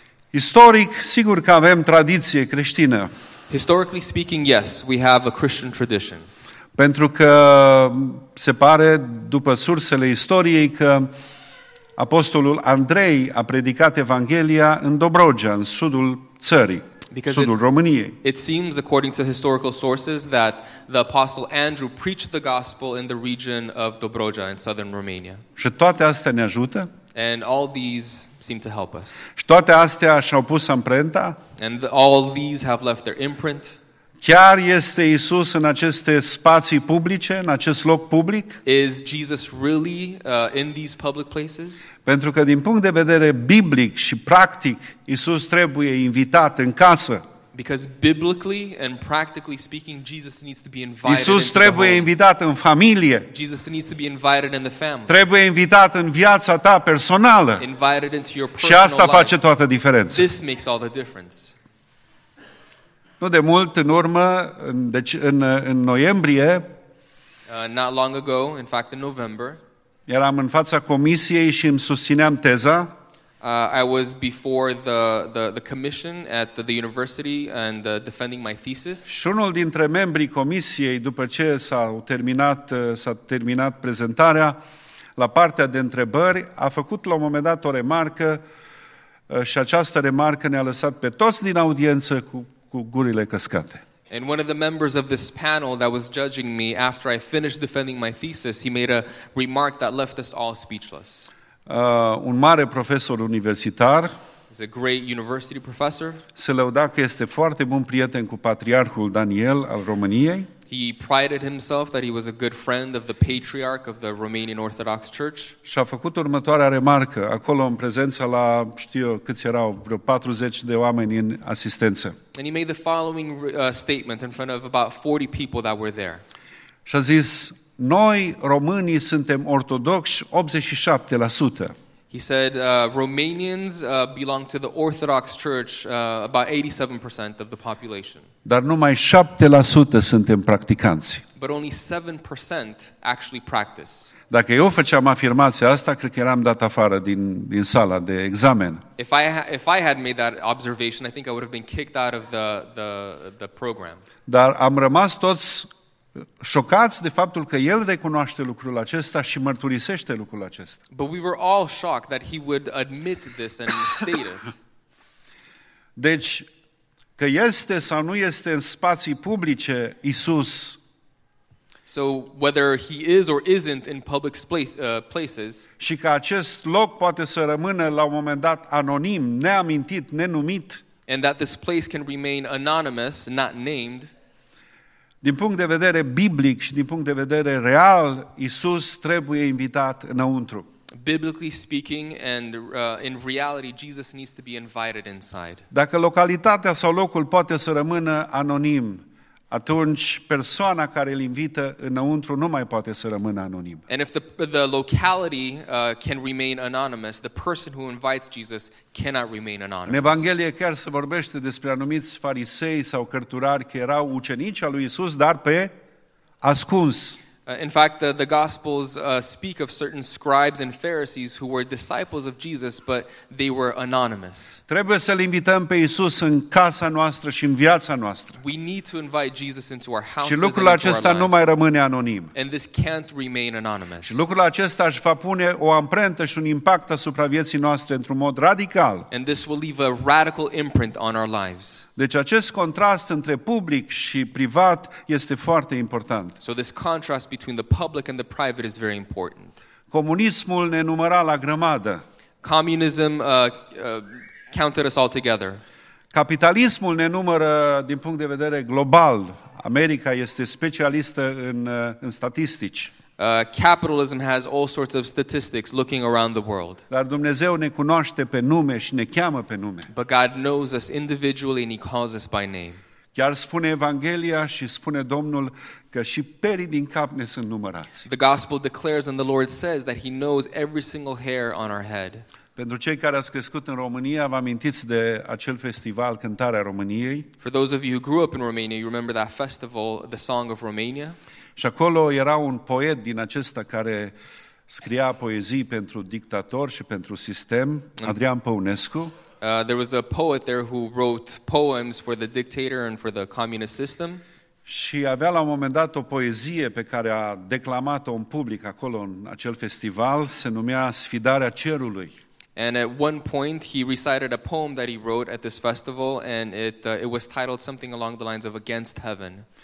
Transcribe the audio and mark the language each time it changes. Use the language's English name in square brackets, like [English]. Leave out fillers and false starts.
[Romanian] Istoric, sigur că avem tradiție creștină. [English] Historically speaking, yes, we have a Christian tradition. [Romanian] Pentru că se pare, după sursele istoriei, că apostolul Andrei a predicat Evanghelia în Dobrogea, în sudul țării, sudul României. [English] It seems, according to historical sources, that the apostle Andrew preached the gospel in the region of Dobrogea, in southern Romania. [Romanian] Și toate astea ne ajută? [English] And all these seem to help us. [Romanian] Și toate astea și-au pus amprenta? [English] And all these have left their imprint. [Romanian] Chiar este Iisus în aceste spații publice, în acest loc public? [English] Is Jesus really in these public places? [Romanian] Pentru că din punct de vedere biblic și practic, Iisus trebuie invitat în casă. [English] Because biblically and practically speaking, Jesus needs to be invited. [Romanian] Iisus trebuie invitat în familie. [English] Jesus needs to be invited in the family. [Romanian] Trebuie invitat în viața ta personală. [English] Invited into your personal life. [Romanian] Și asta face toată diferența. [English] This makes all the difference. [Romanian] Nu de mult în urmă, în noiembrie, [English] not long ago, in fact in November, [Romanian] eram în fața comisiei și îmi susțineam teza. [English] I was before the commission at the university and defending my thesis. [Romanian] Și unul dintre membrii comisiei, după ce s-a terminat prezentarea, la partea de întrebări, a făcut la un moment dat o remarcă și această remarcă ne-a lăsat pe toți din audiență cu gurile căscate. [English] And one of the members of this panel that was judging me after I finished defending my thesis, he made a remark that left us all speechless. [Romanian] Un mare profesor universitar. [English] He's a great university professor. [Romanian] Se lăuda că este foarte bun prieten cu patriarhul Daniel al României. [English] He prided himself that he was a good friend of the patriarch of the Romanian Orthodox Church. [Romanian] Și a făcut următoarea remarcă acolo în prezența la, știu eu, câți erau, vreo 40 de oameni în asistență. [English] And he made the following statement in front of about 40 people that were there. [Romanian] Și a zis: noi românii suntem ortodoxi 87%. [English] He said Romanians belong to the Orthodox Church about 87% of the population. [Romanian] Dar numai 7% suntem practicanți. [English] But only 7% actually practice. [Romanian] Dacă eu făceam afirmația asta, cred că eram dat afară din sala de examen. [English] If I had made that observation, I think I would have been kicked out of the program. [Romanian] Dar am rămas toți șocați de faptul că el recunoaște lucrul acesta și mărturisește lucrul acesta. [English] But we were all shocked that he would admit this and state it. [Romanian] Deci, că este sau nu este în spații publice Iisus. [English] So whether he is or isn't in public places. [Romanian] Și că acest loc poate să rămână la un moment dat anonim, neamintit, nenumit. [English] And that this place can remain anonymous, not named. [Romanian] Din punct de vedere biblic și din punct de vedere real, Iisus trebuie invitat înăuntru. [English] Biblically speaking and in reality, Jesus needs to be invited inside. [Romanian] Dacă localitatea sau locul poate să rămână anonim, atunci persoana care îl invită înăuntru nu mai poate să rămână anonim. [English] And if the locality can remain anonymous, the person who invites Jesus cannot remain anonymous. [Romanian] În Evanghelie chiar se vorbește despre anumiți farisei sau cărturari care erau ucenici al lui Iisus, dar pe ascuns. [English] In fact, the Gospels speak of certain scribes and Pharisees who were disciples of Jesus, but they were anonymous. [Romanian] Trebuie să-L invităm pe Iisus în casa noastră și în viața noastră. [English] We need to invite Jesus into our houses. [Romanian] Și lucrul acesta nu mai rămâne anonim. [English] And this can't remain anonymous. [Romanian] Și lucrul acesta își va pune o amprentă și un impact asupra vieții noastre într-un mod radical. [English] And this will leave a radical imprint on our lives. [Romanian] Deci acest contrast între public și privat este foarte important. [English] So this contrast between the public and the private is very important. [Romanian] Comunismul ne număra la grămadă. [English] Communism counted us all together. [Romanian] Capitalismul ne numără din punct de vedere global, America este specialistă în statistici. [English] Capitalism has all sorts of statistics looking around the world. [Romanian] Dar Dumnezeu ne cunoaște pe nume și ne cheamă pe nume. [English] But God knows us individually and he calls us by name. [Romanian] Chiar spune Evanghelia și spune Domnul că și perii din cap ne sunt numărați. [English] The gospel declares and the Lord says that he knows every single hair on our head. [Romanian] Pentru cei care ați crescut în România, vă amintiți de acel festival Cântarea României? [English] For those of you who grew up in Romania, you remember that festival, the Song of Romania? [Romanian] Și acolo era un poet din acesta care scria poezii pentru dictator și pentru sistem, Adrian Păunescu. [English] There was a poet there who wrote poems for the dictator and for the communist system. [Romanian] Și avea la un moment dat o poezie pe care a declamat-o în public acolo în acel festival, se numea Sfidarea Cerului. [English] And at one point he recited a poem that he wrote at this festival and it was titled something along the lines of Against Heaven.